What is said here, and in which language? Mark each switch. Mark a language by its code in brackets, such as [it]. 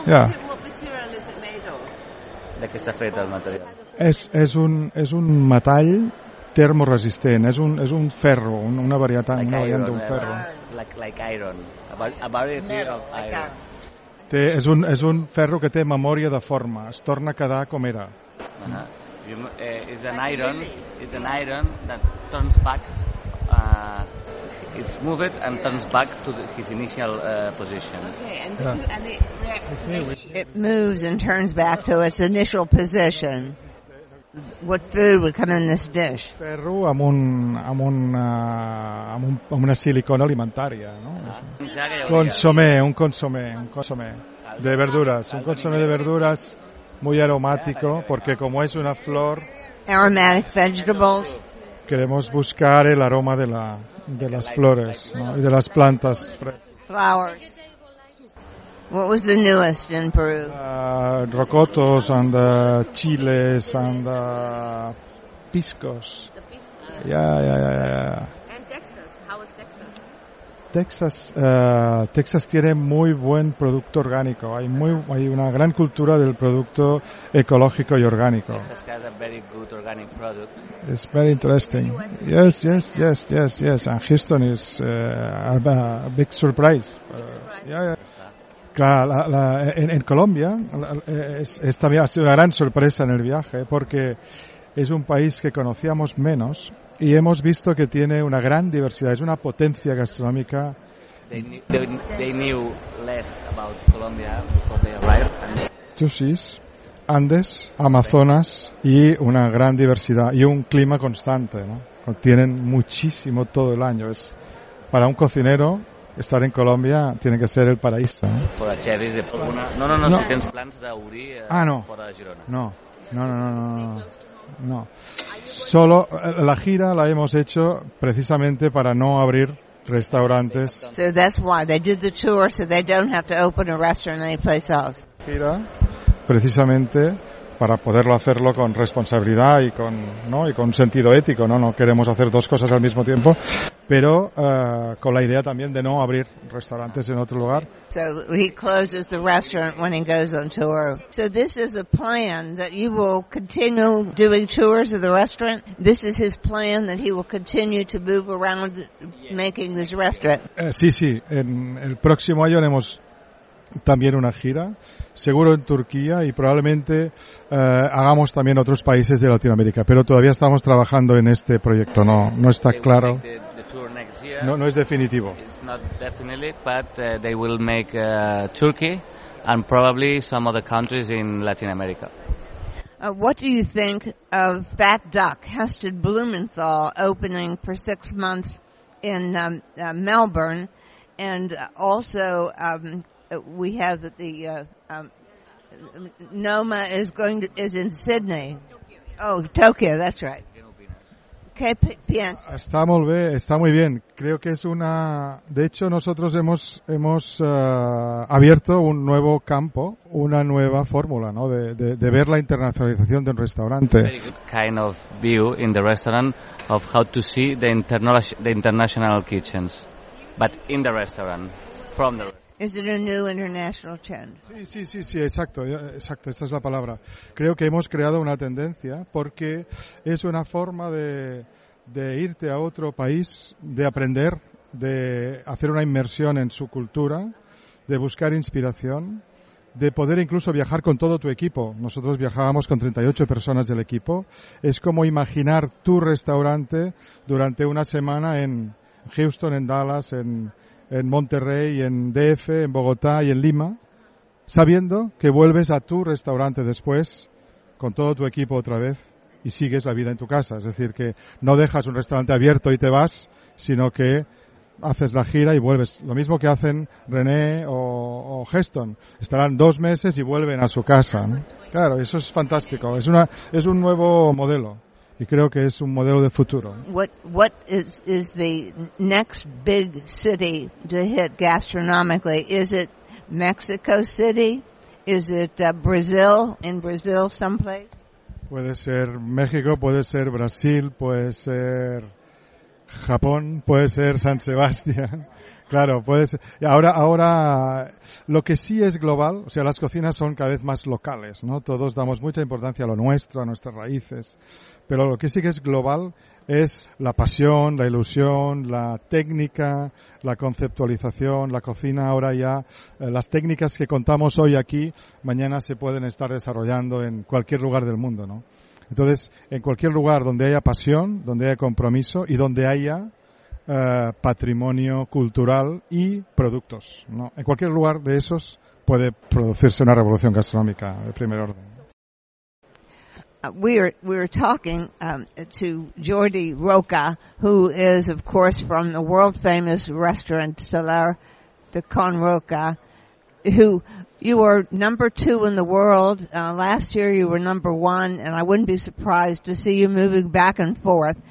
[ca] De què està fet el material? És un metall termoresistent, és un ferro, una varietat, [en] like [ca] una variant d'un ferro. [en] Like iron, a variety of iron. [ca] És un ferro que té memòria de forma, es torna a quedar com era. [en] It's an iron that turns back, it's moved and turns back to his initial position. Okay, and it reacts to it. It moves and turns back to its initial position. What food would come in this dish? [ca] Ferro amb una silicona alimentària, no? [es] Un consomé de verduras. Un consomé de verduras muy aromático, porque como es una flor. [en] Aromatic vegetables. [es] Queremos buscar el aroma de las flores, ¿no? Y de las plantas. [en] Flowers. What was the newest in Peru? Rocotos and chiles and piscos. Yeah. And Texas. How is Texas? [es] Texas tiene muy buen producto orgánico. Hay una gran cultura del producto ecológico y orgánico. [en] Texas has a very good organic product. It's very interesting. Yes. And Houston is a big surprise. Big surprise. [es] Claro, en Colombia es también ha sido una gran sorpresa en el viaje, porque es un país que conocíamos menos y hemos visto que tiene una gran diversidad, es una potencia gastronómica. [en] They knew less about Colombia before they arrived. [es] Chusis, Andes, Amazonas y una gran diversidad y un clima constante, ¿no? Tienen muchísimo todo el año. Es para un cocinero estar en Colombia tiene que ser el paraíso. [ca] No. Si tens plans d'obrir fora de Girona. [es] No. Solo la gira la hemos hecho precisamente para no abrir restaurantes. [en] So that's why they did the tour, so they don't have to open a restaurant anyplace else. [es] Gira, precisamente para poderlo hacerlo con responsabilidad y con, ¿no?, y con sentido ético, ¿no? No queremos hacer dos cosas al mismo tiempo, pero con la idea también de no abrir restaurantes en otro lugar. [en] So he closes the restaurant when he goes on tour. So this is a plan that you will continue doing tours of the restaurant. This is his plan that he will continue to move around making this restaurant. [es] Sí, en el próximo año haremos también una gira, seguro en Turquía y probablemente hagamos también otros países de Latinoamérica, pero todavía estamos trabajando en este proyecto, no está claro. No es definitivo. [en] It's not definitely, but they will make Turkey and probably some other countries in Latin America. What do you think of Fat Duck, Hested Blumenthal opening for 6 months in Melbourne and also we have the Noma is in Sydney. Oh, Tokyo, that's right. Okay, [es] piensa. Está muy bien, Creo que es una. De hecho, nosotros hemos abierto un nuevo campo, una nueva fórmula, ¿no? De ver la internacionalización de un restaurante. Very good kind of view in the restaurant of how to see the international kitchens, but in the restaurant from the. Is it a new international trend? Sí, exacto, esta es la palabra. Creo que hemos creado una tendencia porque es una forma de irte a otro país, de aprender, de hacer una inmersión en su cultura, de buscar inspiración, de poder incluso viajar con todo tu equipo. Nosotros viajábamos con 38 personas del equipo. Es como imaginar tu restaurante durante una semana en Houston, en Dallas, en Monterrey, en DF, en Bogotá y en Lima, sabiendo que vuelves a tu restaurante después con todo tu equipo otra vez y sigues la vida en tu casa. Es decir, que no dejas un restaurante abierto y te vas, sino que haces la gira y vuelves. Lo mismo que hacen René o Heston. Estarán 2 meses y vuelven a su casa, ¿no? Claro, eso es fantástico. Es un nuevo modelo. Y creo que es un modelo de futuro. [en] What is the next big city to hit gastronomically? Is it Mexico City? Is it Brazil? In Brazil someplace? [es] Puede ser México, puede ser Brasil, puede ser Japón, puede ser San Sebastián. Claro, puede ser. Ahora lo que sí es global, o sea, las cocinas son cada vez más locales, ¿no? Todos damos mucha importancia a lo nuestro, a nuestras raíces. Pero lo que sí que es global es la pasión, la ilusión, la técnica, la conceptualización, la cocina ahora ya. Las técnicas que contamos hoy aquí, mañana se pueden estar desarrollando en cualquier lugar del mundo, ¿no? Entonces, en cualquier lugar donde haya pasión, donde haya compromiso y donde haya patrimonio cultural y productos, ¿no? En cualquier lugar de esos puede producirse una revolución gastronómica de primer orden. [en] We're talking to Jordi Roca, who is, of course, from the world-famous restaurant Salar de Con Roca, who you are number 2 in the world. Last year you were number 1, and I wouldn't be surprised to see you moving back and forth.